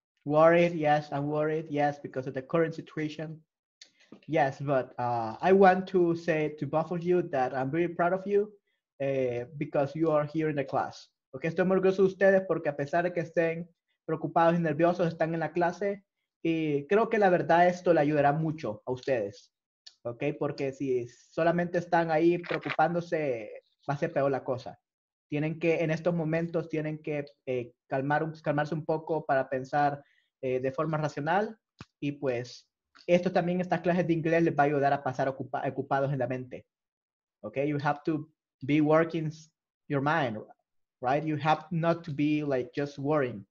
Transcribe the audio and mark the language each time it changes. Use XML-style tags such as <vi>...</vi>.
<en>Worried, yes, I'm worried, yes, because of the current situation. Yes, but I want to say to both of you that I'm very proud of you because you are here in the class.</en> <es>Okay, estoy muy orgulloso de ustedes porque a pesar de que estén preocupados y nerviosos, están en la clase y creo que la verdad esto le ayudará mucho a ustedes. Okay, porque si solamente están ahí preocupándose, va a ser peor la cosa. Tienen que, en estos momentos, tienen que calmarse un poco para pensar de forma racional. Y pues, esto también, estas clases de inglés les va a ayudar a pasar ocupados en la mente.</es> <en>Okay, you have to be working your mind, right? You have not to be like just worrying.</en>